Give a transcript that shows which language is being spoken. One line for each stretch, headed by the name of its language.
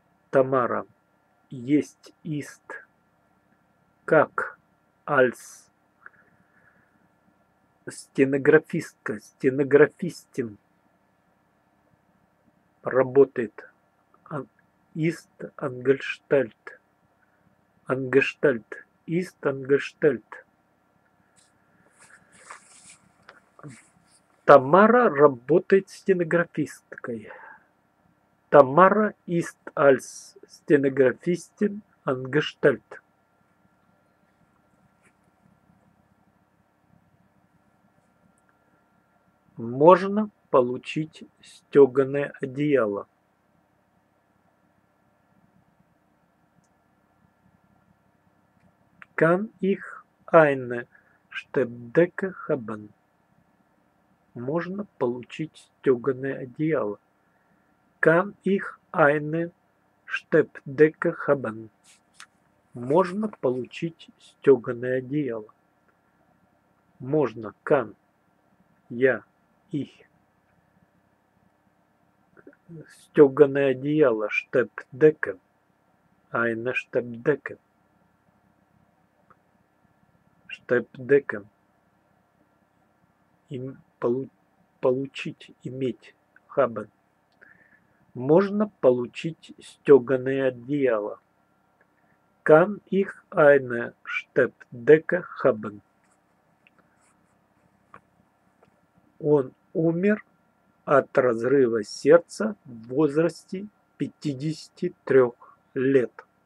Russian: Тамара есть
German: ist
Russian: как
German: als
Russian: стенографистка, стенографистин работает
German: ist angestellt. Angestellt. Ist angestellt.
Russian: Тамара работает стенографисткой.
German: Тамара ist als Stenografistin angestellt.
Russian: Можно получить стёганое одеяло.
German: kann ich eine Steppdecke haben?
Russian: Можно получить стёганое одеяло.
German: Kann ich eine Steppdecke haben?
Russian: Можно получить стёганое одеяло. Можно,
German: kann,
Russian: я,
German: ich.
Russian: Стёганое одеяло,
German: Steppdecke, eine Steppdecke. Steppdecke.
Russian: Получить, иметь,
German: haben.
Russian: Можно получить стёганое одеяло.
German: Kann ich eine Steppdecke haben?
Russian: Он умер от разрыва сердца в возрасте 53 лет.